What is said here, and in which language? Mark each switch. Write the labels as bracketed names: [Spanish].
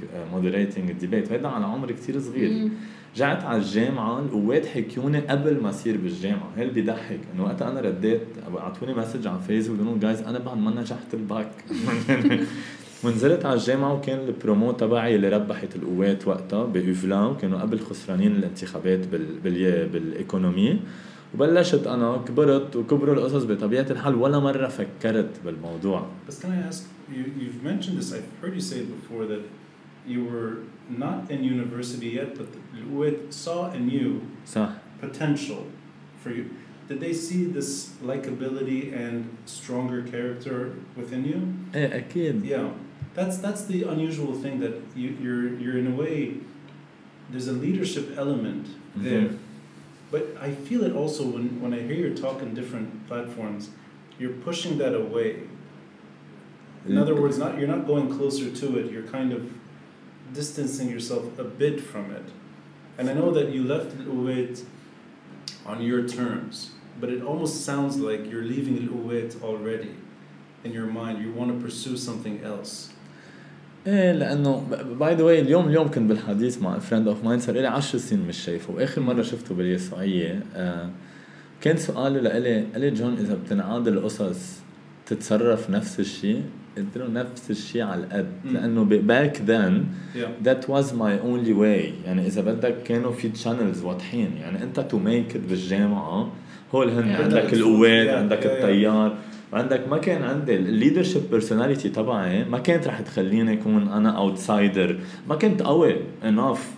[Arabic] مودريتينج الديبيت هيدا على عمر كتير صغير جعت على الجامعة القوات حكيوني قبل ما أصير بالجامعة هل بيضحك أنه وقت أنا رديت أعطوني مسج على فيسبوك وقالوا جايز أنا بعد ما نجحت الباك ونزلت على الجامعة وكان البرومو تبعي اللي ربحت القوات وقتها بإفلام كانوا قبل خسرانين الانتخابات بالإيكونومية وبلشت أنا كبرت وكبروا القصص بطبيعة الحال ولا مرة فكرت بالموضوع بس [English] can I ask you've mentioned this I've heard you say it before that you were not in university yet but the القوات saw in you [Arabic] صح. [English] potential for you did they see this likability and stronger character within you [Arabic] ايه أكيد [English] yeah That's the unusual thing that you're in a way there's a leadership element there, but I feel it also when I hear you talk in different platforms, you're pushing that away. In other words, you're not going closer to it. You're kind of distancing yourself a bit from it, and I know that you left Uwait on your terms, but it almost sounds like you're leaving Uwait already. In your mind, you want to pursue something else. [Arabic] إيه لأنه [English] by the way [Arabic] اليوم كنت بالحديث مع [English] friend of mine [Arabic] صار إلي 10 سنين مش شايفه وآخر مرة شفته باليسوعية كان سؤاله لإلي قالي جون إذا بتنعاد القصص تتصرف نفس الشيء قلت له نفس الشيء على الأد لأنه [English] back then that was my only way [Arabic] يعني إذا بدك كانوا في channels واضحين يعني أنت [English] to make it [Arabic] بالجامعة هول هن عندك القوات عندك التيار عندك ما كان عندي [English] leadership personality [Arabic] تبعي ما كانت رح تخليني أكون أنا outsider ما كنت قوي enough